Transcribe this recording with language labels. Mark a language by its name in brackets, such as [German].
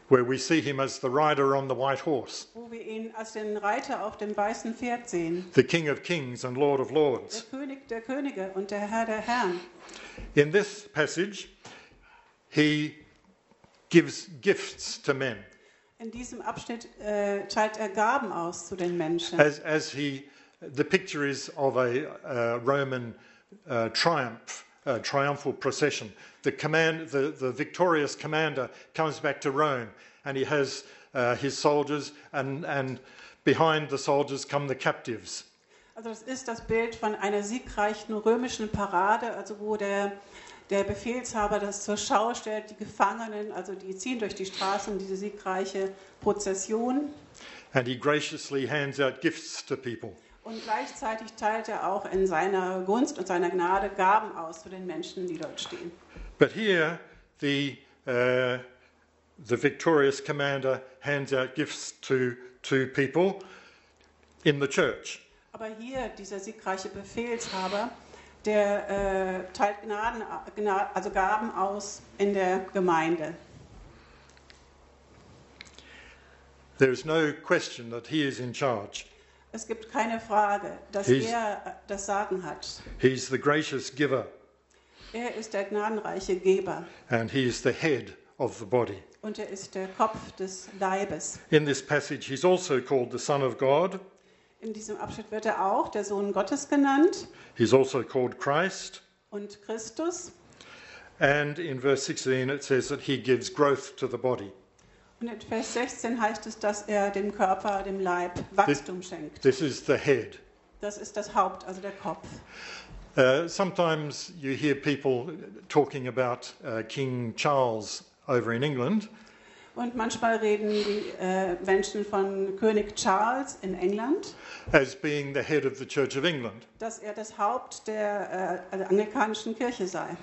[English] Where we see him as the rider on the white horse. [German] Wo wir ihn als den Reiter auf dem weißen Pferd sehen. [English] The King of Kings and Lord of Lords. [German] Der König der Könige und der Herr der Herren. [English] In this passage he gives gifts to men. [German] In diesem Abschnitt teilt er Gaben aus zu den Menschen. [English] As he the picture is of a Roman triumph. A triumphal procession. The victorious commander comes back to Rome, and he has his soldiers, and behind the soldiers come the captives. [German] Also, das ist das Bild von einer siegreichen römischen Parade, also wo der Befehlshaber das zur Schau stellt, die Gefangenen, also die ziehen durch die Straßen diese siegreiche Prozession. [English] And he graciously hands out gifts to people. [German] Und gleichzeitig teilt er auch in seiner Gunst und seiner Gnade Gaben aus zu den Menschen, die dort stehen. [English] But here the victorious commander hands out gifts to people in the church. [German] Aber hier dieser siegreiche Befehlshaber, der teilt also Gaben aus in der Gemeinde. [English] There is no question that he is in charge. [German] Es gibt keine Frage, dass er das Sagen hat. [English] He's the gracious giver. [German] Er ist der gnadenreiche Geber. [English] And he is the head of the body. [German] Und er ist der Kopf des Leibes. [English] In this passage he's also called the Son of God. [German] In diesem Abschnitt wird er auch der Sohn Gottes genannt. [English] He's also called Christ. [German] Und Christus. [English] And in verse 16 it says that he gives growth to the body. [German] Und in Vers 16 heißt es, dass er dem Körper, dem Leib, Wachstum schenkt. [English] This is the head. [German] Das ist das Haupt, also der Kopf. [English] Sometimes you hear people talking about King Charles over in England. [German] Und manchmal reden die Menschen von König Charles in England. [English] As being the head of the Church of England. [German] Dass er das Haupt der anglikanischen Kirche sei.